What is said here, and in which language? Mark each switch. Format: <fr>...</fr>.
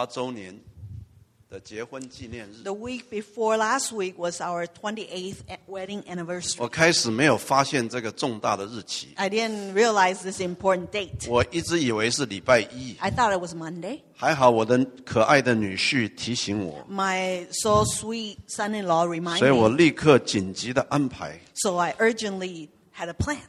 <zh>上上个礼拜天是我跟师母28周年的结婚纪念日。</zh> <en>The week before last week was our 28th wedding anniversary.</en> <zh>我开始没有发现这个重大的日期。</zh> <en>I didn't realize this important date.</en> <zh>我一直以为是礼拜一。</zh> <en>I thought it was Monday.</en> <zh>还好我的可爱的女婿提醒我。</zh> <en>My so sweet son-in-law reminded me.</en> <zh>所以我立刻紧急地安排。</zh> <en>So I urgently had a plan.</en>